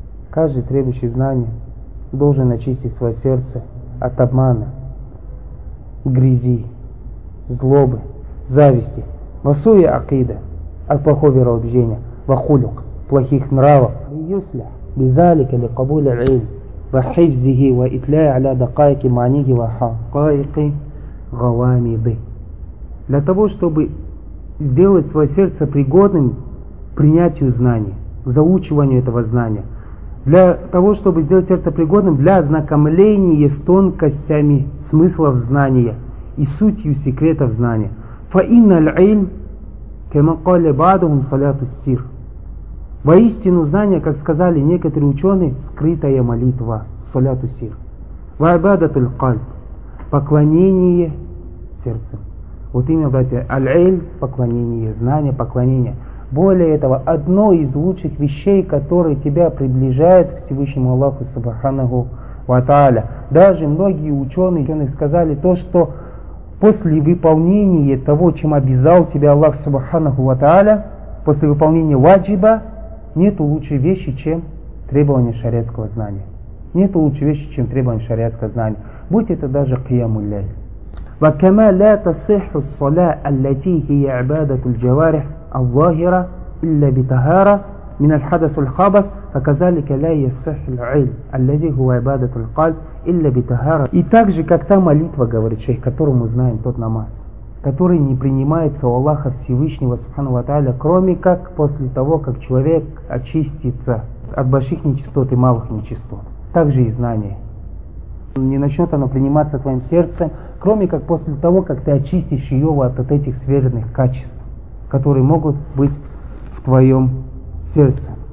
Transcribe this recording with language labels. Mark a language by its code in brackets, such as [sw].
[ru] Каждый требующий знания должен очистить свое сердце от обмана, грязи, злобы, зависти, [ar] васуя акида, [ru] от плохого вероубеждения, вахулюк, плохих нравов, и юсля. [ar] بذلك لقبول العلم وحفظه وإتلاءه على دقائق معانيه وحقائق غوامضه. [ru] Для того, чтобы сделать свое сердце пригодным принятию знания, заучиванию этого знания, для того, чтобы сделать сердце пригодным для ознакомления с тонкостями смыслов знания и сутью секретов знания. [ar] فَإِنَّ الْعِلْمَ كَمَا قَالَ بَعْدُهُمْ صَلَاتُ السِّرِ. [ru] Воистину знание, как сказали некоторые ученые, скрытая молитва, [ar] соляту сир. Ва'абадатуль кальб, [ru] поклонение сердцем. Вот именно, братья, аль-эль, поклонение, знание, поклонение. Более этого, одно из лучших вещей, которые тебя приближают к Всевышнему Аллаху Субханаху Ва Та'аля. Даже многие ученые сказали то, что после выполнения того, чем обязал тебя Аллах Субханаху Ва Та'аля, после выполнения ваджиба, нету лучшей вещи, чем требование шариатского знания. Нету лучшей вещи, чем требование шариатского знания. Будь это даже [ar] قيام الليل. وكما لا تصح الصلاة التي هي عبادة الجوارح الظاهرة إلا بطهارة من الحدث والخبث, فكذلك لا يصح العلم الذي هو عبادة القلب إلا بطهارة. [ru] И так же, как та молитва, говорит шейх, которую мы знаем, тот намаз, который не принимается у Аллаха Всевышнего Субхану ва Тааля, кроме как после того, как человек очистится от больших нечистот и малых нечистот. Так же и знание. Не начнет оно приниматься твоим сердцем, кроме как после того, как ты очистишь ее от этих скверных качеств, которые могут быть в твоем сердце.